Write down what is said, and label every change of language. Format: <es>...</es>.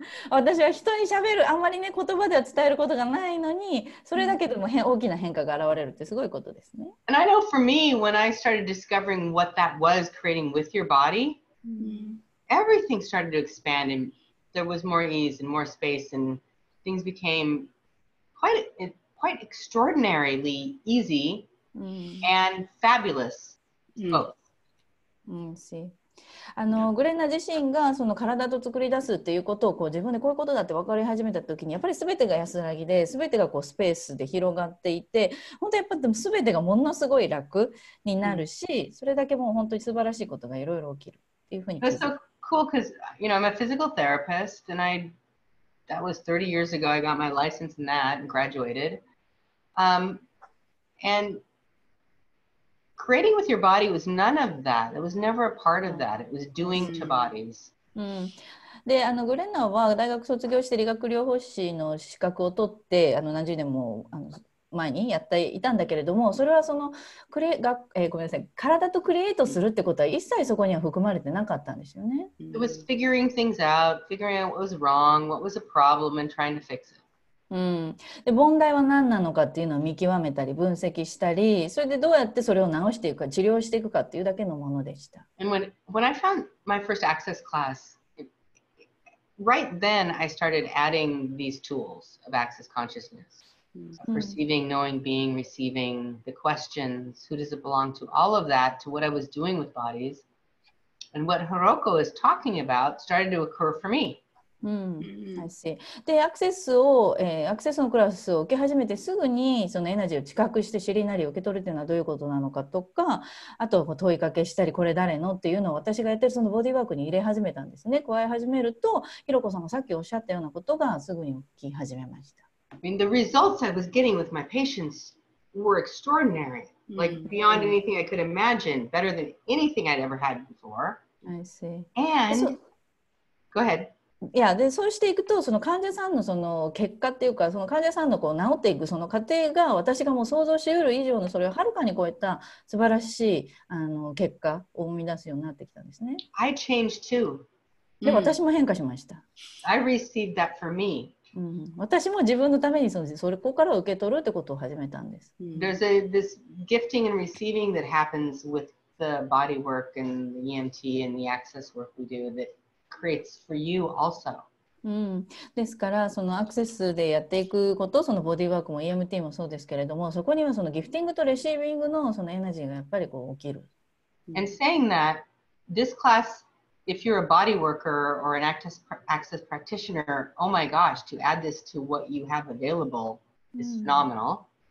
<ja>私は人に喋るあんまりね言葉では伝えることがないのに、それだけでも大きな変化が現れるってすごいことですね。</ja> <en>And I know for me, when I started discovering what that was creating with your body, everything started to expand and there was more ease and more space and things became quite extraordinarily easy and fabulous both. See.</en> <ja>グレナ自身がその体と作り出すっていうことをこう自分でこういうことだって分かり始めた時に、やっぱり全てが安らぎで、全てがこうスペースで広がっていて、本当やっぱり全てがものすごい楽になるし、それだけもう本当に素晴らしいことがいろいろ起きるっていうふうに。</ja> <en>That's so cool because, you know, I'm a physical therapist and that was 30 years ago. I got my license in that and graduated. And... Creating with your body was none of that. It was never a part of that. It was doing to bodies.</en> <ja>で、グレナは大学卒業して理学療法士の資格を取って、何十年も前にやっていたんだけれども、それはそのクレが、ごめんなさい、体とクリエイトするってことは一切そこには含まれてなかったんですよね。</ja> <en>It was figuring things out, figuring out what was wrong, what was a problem and trying to fix it.</en> <ja>うん、で問題は何なのかっていうのを見極めたり分析したり、それでどうやってそれを治していくか治療していくかっていうだけのものでした。</ja> <en>And when I found my first access class, right then I started adding these tools of access consciousness. So、perceiving, knowing, being, receiving, the questions, who does it belong to, all of that, to what I was doing with bodies. And what Hiroko is talking about started to occur for me.、 Mm-hmm. I see.</en> <ja>で、アクセスを、アクセスのクラスを受け始めてすぐにそのエナジーを知覚して知りなり受け取るというのはどういうことなのかとか、あと問いかけしたり、これ誰のっていうのを私がやってるそのボディーワークに入れ始めたんですね。加え始めると、Hiroko さんがさっきおっしゃったようなことがすぐに起き始めました。</ja> <en>I mean, the results I was getting with my patients were extraordinary, like beyond anything I could imagine, better than anything I'd ever had before. I see. And, go ahead. Yeah,</en> <ja>で、そうしていくと、その患者さんのその結果っていうか、その患者さんのこう治っていくその過程が、私がもう想像し得る以上のそれをはるかに超えた素晴らしいあの結果を生み出すようになってきたんですね。</ja> <en>I changed too.</en> <ja>で、私も変化しました。</ja> <en>I received that for me.</en> <ja>うん、私も自分のためにそこから受け取るってことを始めたんです。</ja> <en>There's a, this gifting and receiving that happens with the body work and the EMT and the access work we do that creates for you also.</en> <ja>うん、ですからそのアクセスでやっていくこと、そのボディーワークも EMT もそうですけれども、そこにはそのギフティングとレシービングのそのエナジーがやっぱりこう起きる。</ja> <en>And saying that, this classIf you're a body worker or an access practitioner, oh my gosh, to add this to what you have available is phenomenal.</en>